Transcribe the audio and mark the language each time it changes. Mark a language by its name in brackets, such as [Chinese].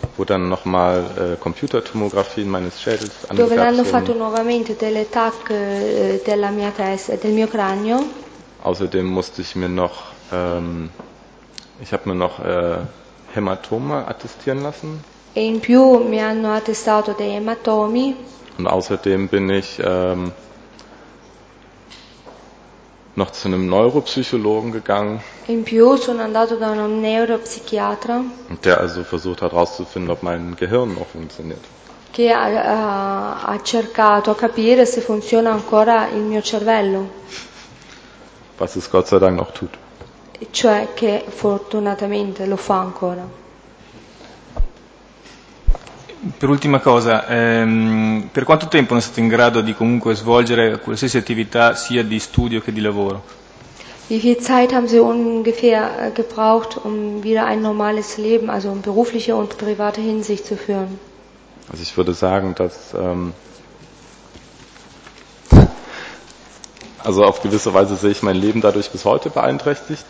[German] Wo dann nochmal Computertomographien meines Schädels angefertigt wurden. [Italian] Dove hanno fatto nuovamente delle TAC della mia testa, del mio cranio. [German] Außerdem musste ich mir noch, ich habe mir noch Hämatome attestieren lassen. [Italian] E in più mi hanno attestato dei ematomi. [German] Und außerdem bin ich noch zu einem Neuropsychologen gegangen. [Italian] In più sono andato da [German] einem [Italian] Neuropsychiatra. [German] Der also versucht hat herauszufinden, ob mein Gehirn noch funktioniert. [Italian] Che ha cercato a capire se funziona ancora il mio cervello. [German] Was es Gott sei Dank noch tut. [Italian] Cioè che fortunatamente lo fa ancora. Per ultima cosa, per quanto tempo non è stato in grado di comunque svolgere qualsiasi attività sia di studio che di lavoro? [German] Wie viel Zeit haben Sie ungefähr gebraucht, um wieder ein normales Leben, also um berufliche und private Hinsicht zu führen? Also ich würde sagen, dass also auf gewisse Weise sehe ich mein Leben dadurch bis heute beeinträchtigt.